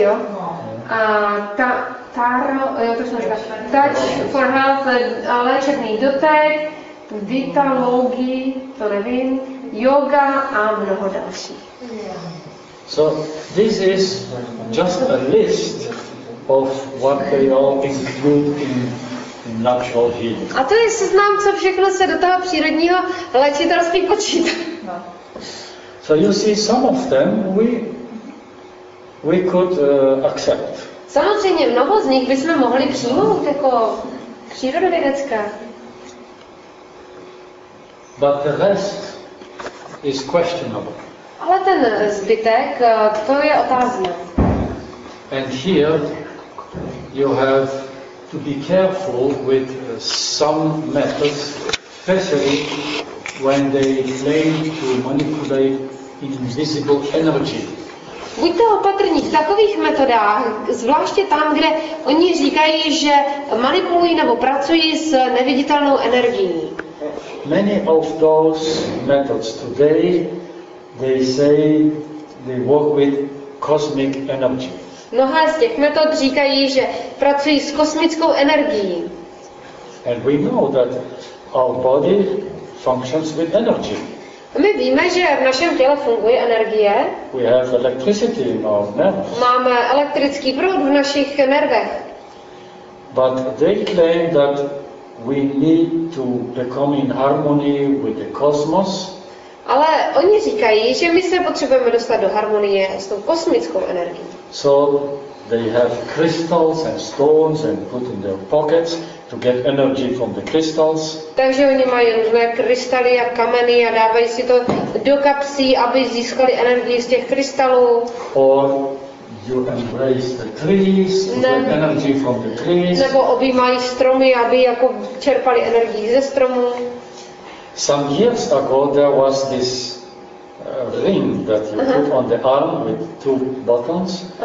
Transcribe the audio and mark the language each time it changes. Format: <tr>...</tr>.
<cs>jo, a touch for health, léčebný dotek, vitalogy, to nevím, yoga a mnoho dalších.</cs> <en>So this is just a list of what they all include in natural healing.</en> <cs>A to je seznam, co všechno se do toho přírodního léčitelství počítá.</cs> <en>So you see, some of them we could accept.</en> <cs>Samozřejmě mnoho z nich bychom mohli přijmout jako přírodovědecká.</cs> <en>But the rest is questionable.</en> <cs>Ale ten zbytek, to je otázka.</cs> <en>And here you have to be careful with some methods, especially when they claim to manipulate invisible energy.</en> <cs>Buďte opatrní v takových metodách, zvláště tam, kde oni říkají, že manipulují nebo pracují s neviditelnou energií.</cs> <en>Many of those methods today, they say they work with cosmic energy.</en> <cs>Mnohé z těch metod říkají, že pracují s kosmickou energií.</cs> <en>And we know that our body functions with energy.</en> <cs>My víme, že v našem těle funguje energie.</cs> <en>We have electricity in our nerves.</en> <cs>Máme elektrický proud v našich nervech.</cs> <en>But they claim that we need to become in harmony with the cosmos.</en> <cs>Ale oni říkají, že my se potřebujeme dostat do harmonie s tou kosmickou energií.</cs> <en>So they have crystals and stones and put in their pockets to get energy from the crystals.</en> <cs>Takže oni mají různé krystaly a kameny a dávají si to do kapsí, aby získali energii z těch krystalů.</cs> <en>Or you embrace the trees to get energy from the trees.</en> <cs>Nebo objímají stromy, aby jako čerpali energii ze stromů.</cs> <en>Some years ago there was this ring that you put on the arm with two buttons.</en>